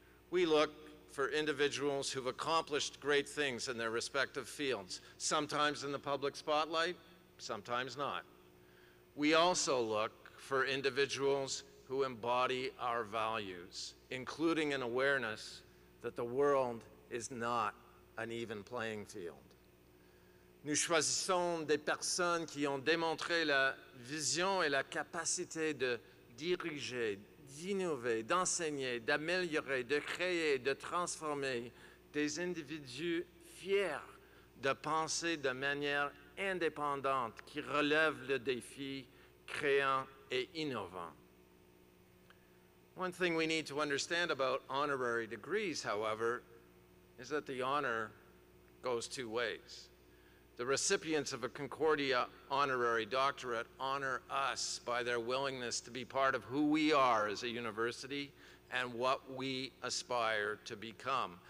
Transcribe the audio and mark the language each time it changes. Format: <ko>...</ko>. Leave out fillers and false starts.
<en>We look for individuals who've accomplished great things in their respective fields, sometimes in the public spotlight, sometimes not. We also look for individuals who embody our values, including an awareness that the world is not an even playing field.</en> <fr>Nous choisissons des personnes qui ont démontré la vision et la capacité de diriger, d'innover, d'enseigner, d'améliorer, de créer, de transformer des individus fiers de penser de manière indépendante qui relève le défi créant et innovant.</fr> <en>One thing we need to understand about honorary degrees, however, is that the honor goes two ways. The recipients of a Concordia honorary doctorate honor us by their willingness to be part of who we are as a university and what we aspire to become.</en>